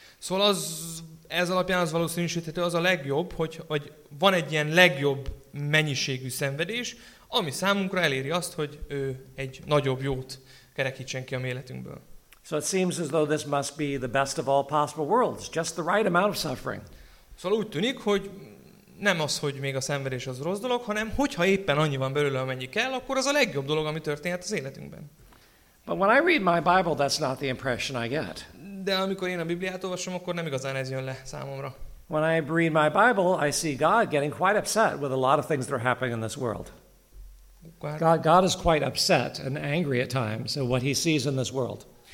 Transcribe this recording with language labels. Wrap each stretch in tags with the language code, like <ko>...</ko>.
<hu>Szóval az, ez alapján az valószínűsíthető, az a legjobb, hogy van egy ilyen legjobb mennyiségű szenvedés, ami számunkra eléri azt, hogy ő egy nagyobb jót kerekítsen ki a életünkből.</hu> <en>So it seems as though this must be the best of all possible worlds, just the right amount of suffering.</en> <hu>Szóval úgy tűnik, hogy nem az, hogy még a szenvedés az rossz dolog, hanem hogyha éppen annyi van belőle, amennyi kell, akkor az a legjobb dolog, ami történhet az életünkben.</hu> <en>But when I read my Bible, that's not the impression I get.</en> <hu>De amikor én a Bibliát olvasom, akkor nem igazán ez jön le számomra.</hu> <en>When I read my Bible, I see God getting quite upset with a lot of things that are happening in this world. God is quite upset and angry at times at what he sees in this world.</en>